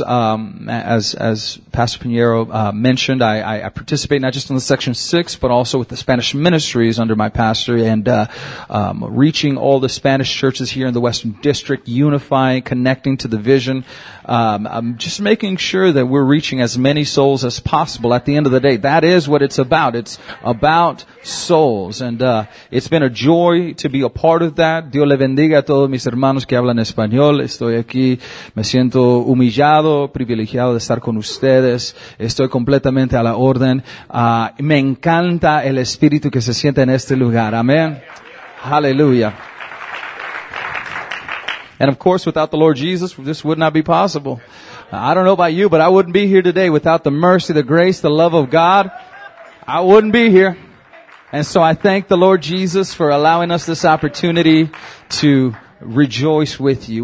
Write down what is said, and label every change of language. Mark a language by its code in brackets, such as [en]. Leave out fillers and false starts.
[en] As Pastor Pinero mentioned, I participate not just in the Section 6, but also with the Spanish ministries under my pastor, and reaching all the Spanish churches here in the Western District, unifying, connecting to the vision. I'm just making sure that we're reaching as many souls as possible at the end of the day. That is what it's about. It's about souls. And it's been a joy to be a part of that. [es] Dios le bendiga a todos mis hermanos que hablan español. Estoy aquí. Me siento humillado, privilegiado de estar con ustedes. Estoy completamente a la orden. Me encanta el espíritu que se siente en este lugar. Amén. Hallelujah. [en] And of course, without the Lord Jesus, this would not be possible. I don't know about you, but I wouldn't be here today without the mercy, the grace, the love of God. I wouldn't be here. And so I thank the Lord Jesus for allowing us this opportunity to rejoice with you.